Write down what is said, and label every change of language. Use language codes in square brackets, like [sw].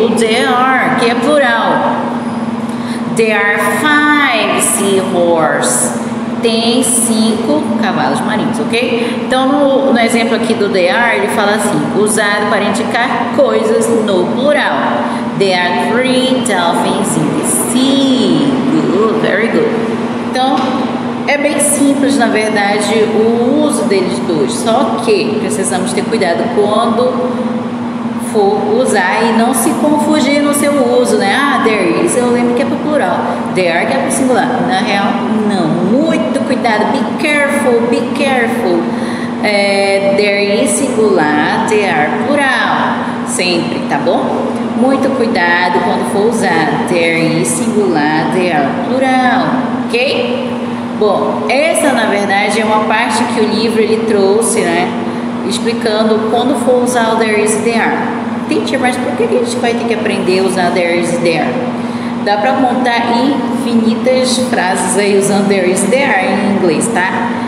[en] O there are, [pt] que é plural. [en] There are 5 seahorses. [pt] Tem 5 cavalos marinhos, ok? Então, no exemplo aqui do there are, ele fala assim: usado para indicar coisas no plural. [en] There are 3 dolphins in the sea. Good, very good. [pt] Então, é bem simples, na verdade, o uso deles dois. Só que precisamos ter cuidado quando for usar e não se confundir no seu uso, né? Ah, there is, eu lembro que é para plural. There are, que é para singular. Na real, não. Muito cuidado. [en] Be careful, be careful. [pt] É, there is singular, there are plural. Sempre, tá bom? Muito cuidado quando for usar. [en] There is singular, there are plural. Ok? [pt] Bom, essa na verdade é uma parte que o livro ele trouxe, né? Explicando quando for usar o there is e there are. Teacher, mas por que a gente vai ter que aprender a usar there is e there are? Dá pra montar infinitas frases aí usando there is e there are em inglês, tá?